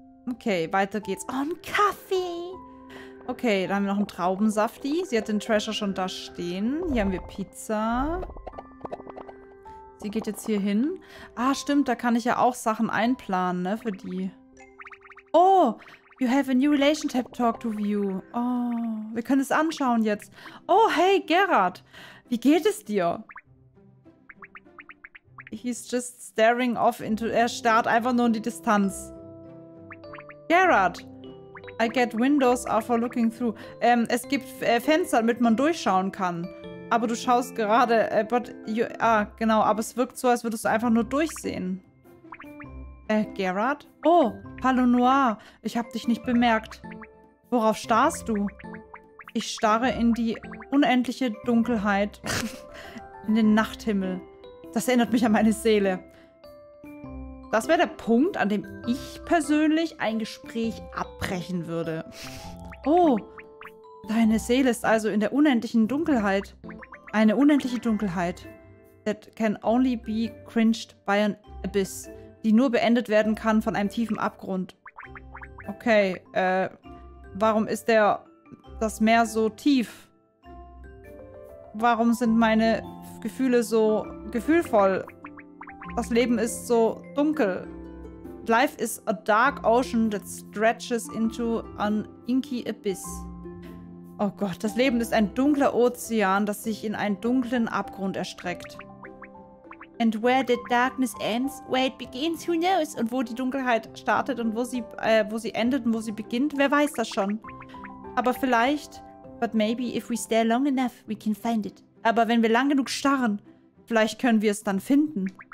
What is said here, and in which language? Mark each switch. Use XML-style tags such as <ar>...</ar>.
<de>Okay, weiter geht's. Oh, ein Kaffee! Okay, da haben wir noch einen Traubensafti. Sie hat den Treasure schon da stehen. Hier haben wir Pizza. Sie geht jetzt hier hin. Ah, stimmt, da kann ich ja auch Sachen einplanen, ne, für die.</de> <en>Oh, you have a new relationship talk to view.</en> <de>Oh, wir können es anschauen jetzt. Oh, hey, Gerard. Wie geht es dir?</de> <en>He's just staring off into...</en> <de>Er starrt einfach nur in die Distanz.</de> <en>Gerard. I get windows out for looking through.</en> <de>Es gibt Fenster, damit man durchschauen kann. Aber du schaust gerade... genau. Aber es wirkt so, als würdest du einfach nur durchsehen. Gerard? Oh, hallo Noir. Ich hab dich nicht bemerkt. Worauf starrst du? Ich starre in die unendliche Dunkelheit. In den Nachthimmel. Das erinnert mich an meine Seele. Das wäre der Punkt, an dem ich persönlich ein Gespräch abbrechen würde. Oh, deine Seele ist also in der unendlichen Dunkelheit. Eine unendliche Dunkelheit.</de> <en>That can only be cringed by an abyss.</en> <de>Die nur beendet werden kann von einem tiefen Abgrund. Okay, warum ist das Meer so tief? Warum sind meine Gefühle so gefühlvoll? Das Leben ist so dunkel.</de> <en>Life is a dark ocean that stretches into an inky abyss.</en> <de>Oh Gott, das Leben ist ein dunkler Ozean, das sich in einen dunklen Abgrund erstreckt.</de> <en>And where the darkness ends, where it begins, who knows?</en> <de>Und wo die Dunkelheit startet und wo sie endet und wo sie beginnt, wer weiß das schon. Aber vielleicht,</de> <en>but maybe if we stare long enough, we can find it.</en> <de>Aber wenn wir lang genug starren, vielleicht können wir es dann finden.</de>